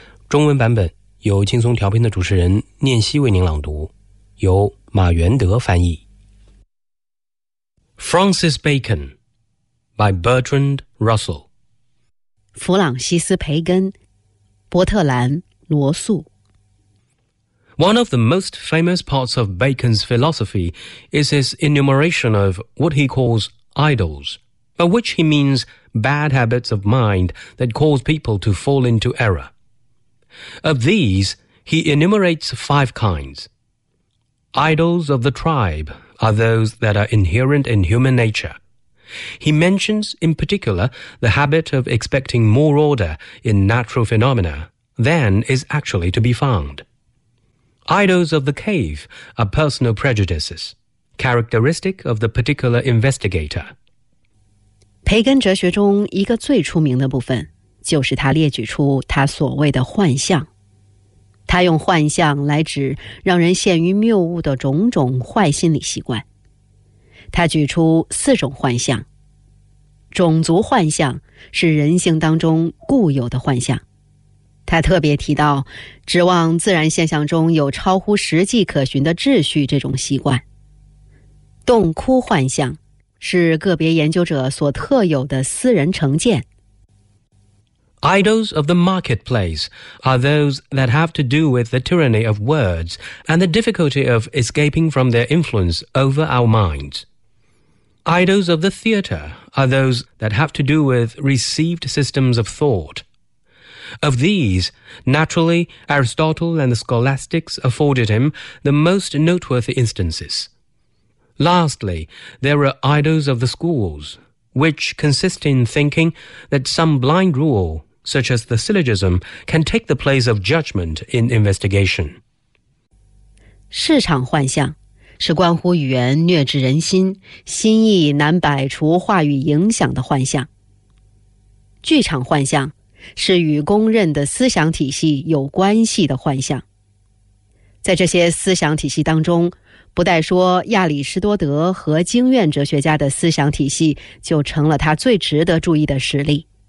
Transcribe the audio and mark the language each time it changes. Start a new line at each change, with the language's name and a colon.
Chinese: 中文版本由轻松调频的主持人念希为您朗读，由马元德翻译。
English: Francis Bacon by Bertrand Russell。
Chinese: 弗朗西斯·培根，伯特兰·罗素。
English: One of the most famous parts of Bacon's philosophy is his enumeration of what he calls idols, by which he means bad habits of mind that cause people to fall into error. Of these, he enumerates five kinds. Idols of the tribe are those that are inherent in human nature. He mentions, in particular, the habit of expecting more order in natural phenomena than is actually to be found. Idols of the cave are personal prejudices, characteristic of the particular investigator.
Chinese: 培根哲学中一个最出名的部分，就是他列举出他所谓的幻象。他用幻象来指让人陷于谬误的种种坏心理习惯。他举出四种幻象。种族幻象是人性当中固有的幻象。他特别提到指望自然现象中有超乎实际可循的秩序这种习惯。洞窟幻象是个别研究者所特有的私人成见。
English: Idols of the marketplace are those that have to do with the tyranny of words and the difficulty of escaping from their influence over our minds. Idols of the theater are those that have to do with received systems of thought. Of these, naturally, Aristotle and the scholastics afforded him the most noteworthy instances. Lastly, there are idols of the schools, which consist in thinking that some blind rule, such as the syllogism, can take the place of judgment in investigation.
Chinese: 市场幻象是关乎语言虐制人心，心意难摆除话语影响的幻象。剧场幻象是与公认的思想体系有关系的幻象。在这些思想体系当中，不带说亚里士多德和经验哲学家的思想体系就成了他最值得注意的实例。